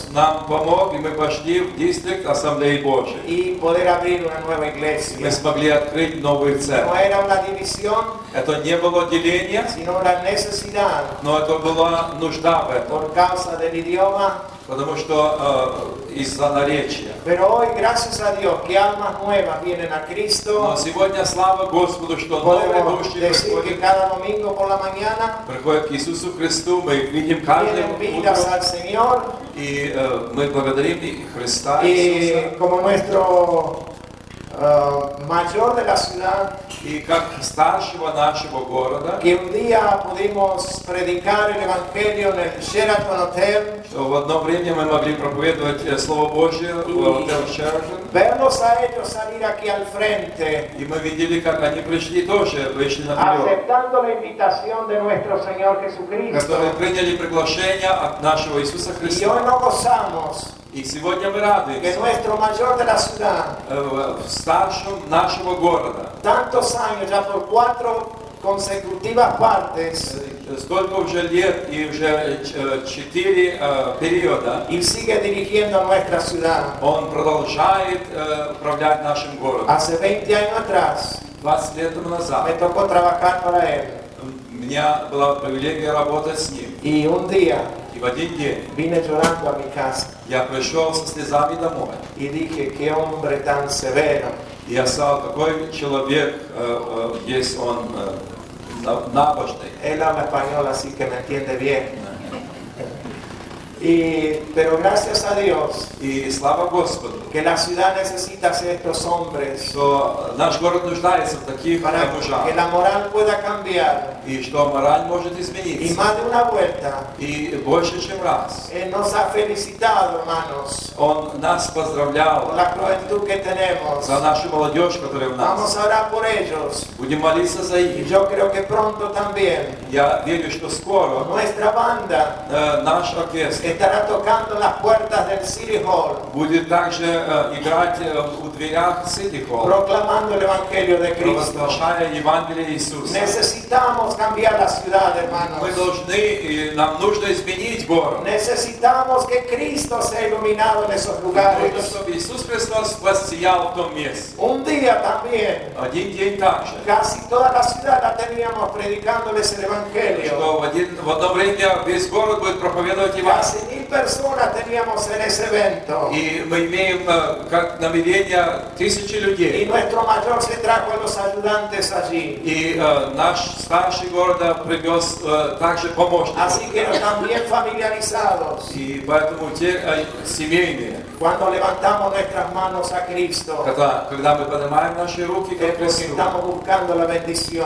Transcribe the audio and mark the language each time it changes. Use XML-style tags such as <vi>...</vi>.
<ru>нам помог, и мы пошли в дистрикт Ассамблеи Божьей. И</ru> <es>poder abrir una nueva iglesia.</es> <ru>Мы смогли открыть новую церковь.</ru> <es>No era una división,</es> <ru>это не было деление,</ru> <es>sino una necesidad,</es> <ru>но это была нужда в этом.</ru> <es>Por causa del idioma,</es> <ru>потому что из-за наречия.</ru> <es>Pero hoy, gracias a Dios, que almas nuevas vienen a Cristo.</es> <ru>Но сегодня слава Господу, что новые души приходят.</ru> <es>Cada domingo por la mañana.</es> <ru>Приходят к Иисусу Христу, мы видим каждый утро. И мы благодарим Христа и</ru> <es>como nuestro mayor de la ciudad, y</es> <ru>как старшего нашего города,</ru> <es>que un día pudimos predicar el evangelio en el Sheraton Hotel,</es> <ru>что в одно время мы могли проповедовать слово Божье в отеле Sheraton,</ru> <es>verlos a ellos salir aquí al frente,</es> <ru>и мы видели, как они пришли тоже, вышли на прием,</ru> <es>aceptando la invitación de nuestro Señor Jesucristo,</es> <ru>которые приняли приглашение от нашего Иисуса Христа,</ru> <es>y hoy no gozamos.</es> <ru>И сегодня мы рады,</ru> <es>que nuestro mayor de la ciudad,</es> <ru>старшим нашего города,</ru> <es>tantos años, ya por cuatro consecutivas partes,</es> <ru>столько уже лет и уже четыре периода,</ru> <es>y sigue dirigiendo nuestra ciudad,</es> <ru>он продолжает управлять нашим городом.</ru> <es>Hace 20 años atrás,</es> <ru>20 лет назад,</ru> <es>me tocó trabajar para él.</es> <ru>Мне была привилегия работать с ним. И</ru> <es>un día,</es> <ru>и в один день</ru> <es>vine llorando a mi casa.</es> <ru>Я пришел со слезами домой. И</ru> <es>dije, qué hombre tan severo.</es> <ru>Я сказал, какой человек есть он набожный.</ru> <es>Él habla español, así que me entiende bien. Y, pero gracias a Dios, y</es> <ru>слава Господу,</ru> <es>que la ciudad necesita a estos hombres,</es> <ru>что наш город нуждается в таких мужах,</ru> <es>que la moral pueda cambiar,</es> <ru>и что мораль может измениться,</ru> <es>y más de una vuelta,</es> <ru>и больше, чем раз,</ru> <es>él nos ha felicitado, hermanos,</es> <ru>он нас поздравлял,</ru> <es>por la juventud que tenemos,</es> <ru>за нашу молодежь, которая у нас,</ru> <es>vamos a orar por ellos,</es> <ru>будем молиться за них,</ru> <es>y yo creo que pronto también,</es> <ru>я верю, что скоро,</ru> <es>nuestra banda,</es> <ru>наш оркестр,</ru> <es>estará tocando las puertas del City Hall.</es> <ru>Будет также играть у дверях City Hall.</ru> <es>Proclamando el Evangelio de Cristo.</es> <ru>Провозглашая Евангелие Иисуса.</ru> <es>Necesitamos cambiar la ciudad, hermanos.</es> <ru>Мы должны, нам нужно изменить город.</ru> <es>Necesitamos que Cristo sea iluminado en esos lugares.</es> <ru>Нужно, чтобы Иисус Христос воссиял в том месте.</ru> <es>Un día también.</es> <ru>Один день также.</ru> <es>Casi toda la ciudad la teníamos predicándoles el Evangelio.</es> <ru>Что в одно время весь город будет проповедовать</ru> <es>Casi 1000 personas teníamos en ese evento.</es> <ru>И мы имеем как намерение тысячи людей.</ru> <es>Y nuestro mayor se trajo los ayudantes allí.</es> <ru>И наш старший города привез также помощников.</ru> <es>Así que están bien familiarizados.</es> <ru>И поэтому те семейные.</ru> <es>Cuando levantamos nuestras manos a Cristo.</es> <ru>Когда мы поднимаем наши руки к Христу.</ru> <es>Estamos buscando la bendición.</es>